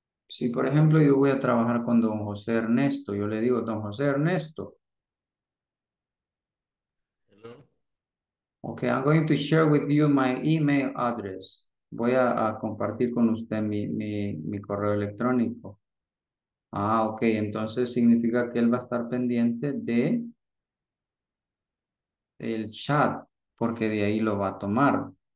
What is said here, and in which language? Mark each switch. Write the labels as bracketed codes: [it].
[es] Si, por ejemplo, yo voy a trabajar con don José Ernesto, yo le digo, don José Ernesto. [en] Hello. Ok, I'm going to share with you my email address. [es] Voy a compartir con usted mi correo electrónico. Ah, ok. Entonces significa que él va a estar pendiente de el chat, porque de ahí lo va a tomar.